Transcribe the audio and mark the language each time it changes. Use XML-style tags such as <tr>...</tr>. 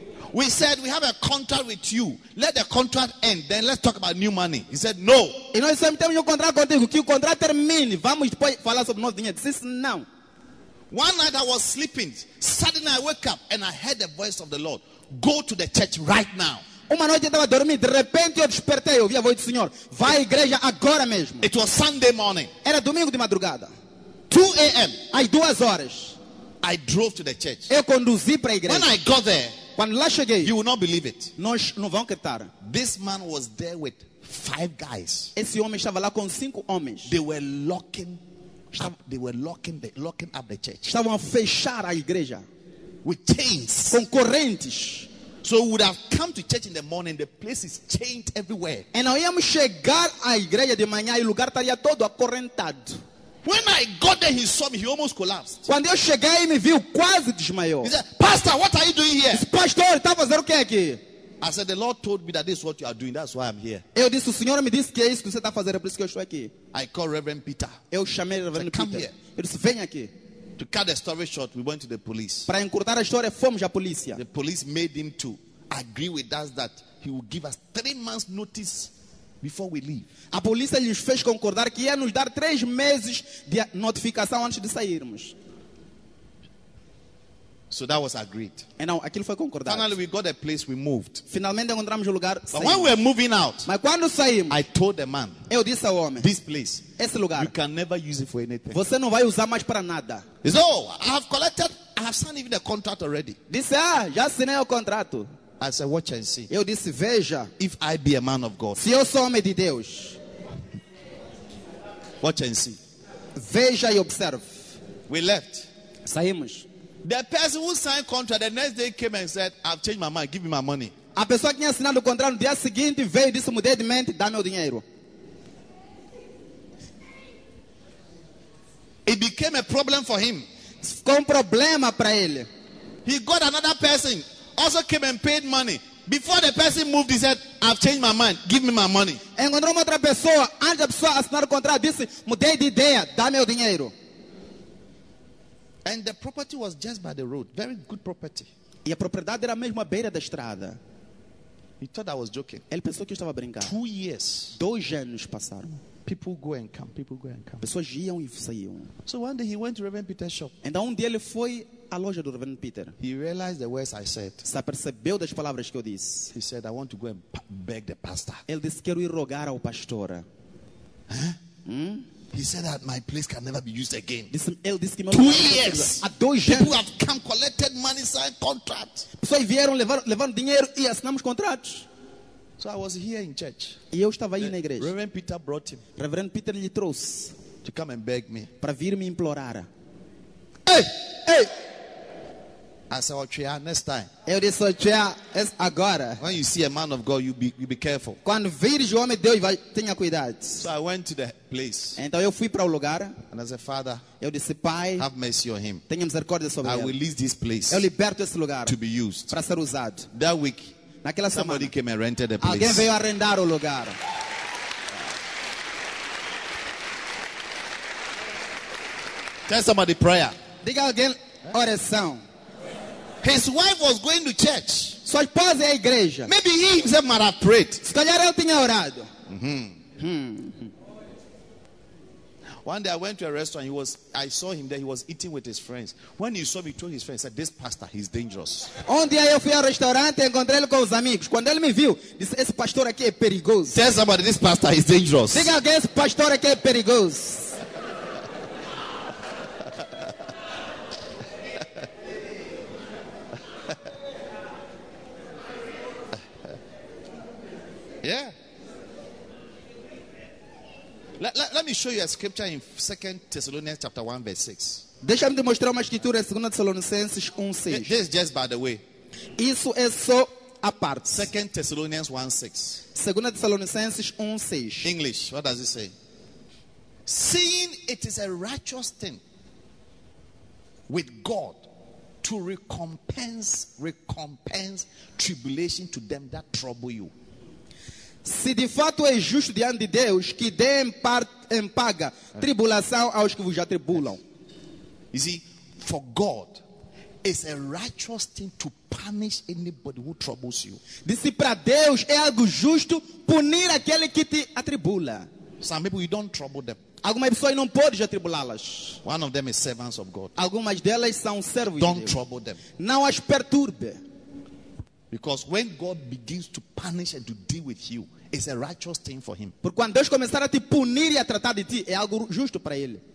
<en>We said we have a contract with you. Let the contract end, then let's talk about new money. He said no.</en> <pt>E nós sempre temos um contrato contigo, que o contrato termine, vamos depois falar sobre novo dinheiro.</pt> <en>This is now. One night I was sleeping. Suddenly I woke up and I heard the voice of the Lord. Go to the church right now.</en> <pt>Uma noite eu estava a dormir, de repente eu despertei, ouvi a voz do Senhor. Vai à igreja agora mesmo.</pt> <en>It was Sunday morning.</en> <pt>Era domingo de madrugada.</pt> <en>2 a.m.</en> <pt>Às 2 horas.</pt> <en>I drove to the church.</en> <pt>Eu conduzi para a igreja.</pt> <en>When I got there,</en> <pt>quando lá cheguei,</pt> <en>you will not believe it.</en> <pt>Nós não vão acreditar.</pt> <en>This man was there with 5 guys.</en> <pt>Esse homem estava lá com 5 homens.</pt> <en>They were locking up the church.</en> <pt>Estavam a fechar a igreja</pt> <en>with chains.</en> <pt>Com correntes.</pt> <en>So we would have come to church in the morning, the place is chained everywhere.</en> <pt>E nós íamos chegar à igreja de manhã e o lugar estaria todo acorrentado.</pt> <en>When I got there, he saw me. He almost collapsed.</en> <pt>Quando eu cheguei, me viu, quase desmaiou.</pt> <en>He said, "Pastor, what are you doing here?"</en> <pt>Disse, pastor, está fazendo o que aqui?</pt> <en>I said, "The Lord told me that this is what you are doing. That's why I'm here."</en> <pt>Eu disse, o Senhor me disse que é isso que você está fazendo, por isso que eu estou aqui.</pt> <en>I called Reverend Peter.</en> <pt>Eu chamei o Reverendo Peter.</pt> <en>Come here.</en> <pt>Ele disse, vem aqui.</pt> <en>To cut the story short, we went to the police.</en> <pt>Para encurtar a história, fomos à polícia.</pt> <en>The police made him to agree with us that he would give us 3 months' notice. Before we leave.</en> <pt>A polícia lhes fez concordar que ia nos dar 3 meses de notificação antes de sairmos.</pt> <en>So that was agreed. And now,</en> <pt>aquilo foi concordado.</pt> <en>Finally, we got a place. We moved.</en> <pt>Finalmente encontramos o lugar.</pt> <en>But when we were moving out,</en> <pt>mas quando saímos,</pt> <en>I told the man,</en> <pt>eu disse ao homem,</pt> <en>this place,</en> <pt>esse lugar,</pt> <en>you can never use it for anything.</en> <pt>Você não vai usar mais para nada.</pt> <en>He said, oh, I have signed even the contract already.</en> <pt>Disse, ah, já assinei o contrato.</pt> <en>I said, watch and see.</en> <pt>Eu disse, veja.</pt> <en>If I be a man of God.</en> <pt>Se eu sou homem de Deus.</pt> <en>Watch and see.</en> <pt>Veja e observe.</pt> <en>We left.</en> <pt>Saímos.</pt> <en>The person who signed contract, the next day came and said, I've changed my mind. Give me my money.</en> <pt>A pessoa que tinha assinado o contrato, no dia seguinte, veio e disse, mudei de mente, dá meu dinheiro.</pt> <en>It became a problem for him.</en> <pt>Ficou problema para ele.</pt> <en>He got another person. Also came and paid money. Before the person moved, he said, I've changed my mind. Give me my money.</en> <pt>Encontrou uma outra pessoa. Antes da pessoa assinar o contrato, disse, mudei de ideia. Dá meu dinheiro.</pt> <en>And the property was just by the road. Very good property.</en> <pt>E a propriedade era mesmo à beira da estrada.</pt> <en>He thought I was joking.</en> <pt>Ele pensou que eu estava brincando.</pt> <en>2 years.</en> <pt>2 anos passaram.</pt> <en>People go and come.</en> <pt>Pessoas iam e saíam.</pt> <en>So one day he went to Reverend Peter's shop.</en> <pt>Então um dia ele foi à loja do Reverendo Peter.</pt> <en>He realized the words I said.</en> <pt>Se apercebeu das palavras que eu disse.</pt> <en>He said, I want to go and beg the pastor.</en> <pt>Ele disse, quero ir rogar ao pastor. Huh? Hmm?</pt> <en>He said that my place can never be used again.</en> <pt>Ele disse que meu</pt> <en>2 years.</en> <pt>Há 2 anos.</pt> <en>People have come, collected money, signed contract.</en> <pt>Pessoas vieram levando dinheiro e assinamos contratos.</pt> <en>So I was here in church.</en> <pt>E eu estava aí na igreja.</pt> <en>Reverend Peter brought him.</en> <pt>Reverendo Peter lhe trouxe.</pt> <en>To come and beg me.</en> <pt>Para vir me implorar. Hey, hey.</pt> <en>I said, Ochea, next time.</en> <pt>Eu disse, Ochea, agora.</pt> <en>When you see a man of God, you be careful.</en> <pt>Quando vires o homem de Deus, tenha cuidado.</pt> <en>So I went to the place.</en> <pt>Então eu fui para o lugar.</pt> <en>And I said, Father,</en> <pt>eu disse, Pai,</pt> <en>have mercy on him.</en> <pt>Tenha misericórdia sobre ele.</pt> <en>I release this place.</en> <pt>Eu liberto esse lugar</pt> <en>to be used.</en> <pt>Para ser usado.</pt> <en>That week,</en> <pt>naquela semana,</pt> <en>somebody came and rented the place.</en> <pt>Alguém veio arrendar o lugar.</pt> <en>Tell somebody prayer.</en> <pt>Diga alguém oração.</pt> <en>His wife was going to church.</en> <pt>Sua esposa é a igreja.</pt> <en>Maybe he himself might have prayed.</en> <pt>Se calhar ele tinha orado.</pt> <en>One day I went to a restaurant. I saw him there. He was eating with his friends. When he saw me, told his friends, said, "This pastor, he's dangerous."</en> <pt>Onde aí eu fui ao restaurante e encontrei ele com os amigos. Quando ele me viu, disse, "Esse pastor aqui é perigoso."</pt> <en>Tell somebody, "This pastor is dangerous."</en> <pt>Diga alguém, "Esse pastor aqui é perigoso." Yeah.</pt> <en>Let me show you a scripture in 2 Thessalonians chapter 1 verse 6.</en> <pt>Deixa-me te mostrar uma escritura em 2 Tessalonicenses 1:6.</pt> <en>This is just by the way.</en> <pt>Isso é só a parte.</pt> <en>2 Thessalonians 1:6.</en> <pt>2 Thessalonicenses 1:6.</pt> <en>English, what does it say? Seeing it is a righteous thing with God to recompense tribulation to them that trouble you.</en> <pt>Se de fato é justo diante de Deus que dê em paga tribulação aos que vos atribulam.</pt> <en>You see, for God, it's a righteous thing to punish anybody who troubles you.</en> <pt>Disse para Deus é algo justo punir aquele que te atribula.</pt> <en>Some people you don't trouble them.</en> <pt>Algumas pessoas não podem atribulá-las.</pt> <en>One of them is servants of God.</en> <pt>Algumas delas são servos de Deus.</pt> <en>Don't trouble them.</en> <pt>Não as perturbe.</pt> <en>Because when God begins to punish and to deal with you, it's a righteous thing for him.</en> <pt>Porque quando Deus começar a te punir e a tratar de ti, é algo justo para ele.</pt>